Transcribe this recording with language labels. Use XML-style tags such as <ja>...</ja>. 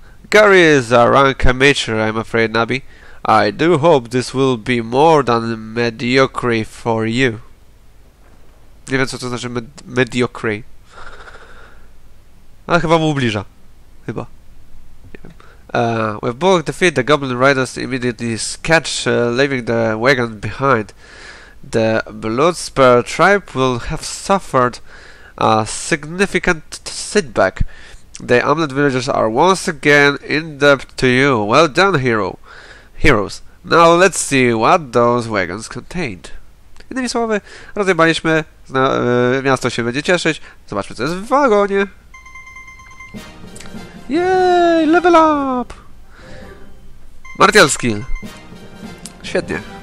<en>Gary is a rank amateur, I'm afraid, Nabi. I do hope this will be more than mediocre for you.</en> <pl>Nie wiem, co to znaczy mediocre. Ale chyba mu ubliża. Chyba.</pl> <en>With Bullock defeat, the goblin riders immediately sketch, leaving the wagon behind. The Bloodspur tribe will have suffered a significant setback. The Amlet villagers are once again in debt to you. Well done, heroes. Now let's see what those wagons contained.</en> <pl>Innymi słowy, rozjebaliśmy, miasto się będzie cieszyć. Zobaczmy, co jest w wagonie.</pl> <en>Yay, level up! Martial skill.</en> <pl>Świetnie.</pl>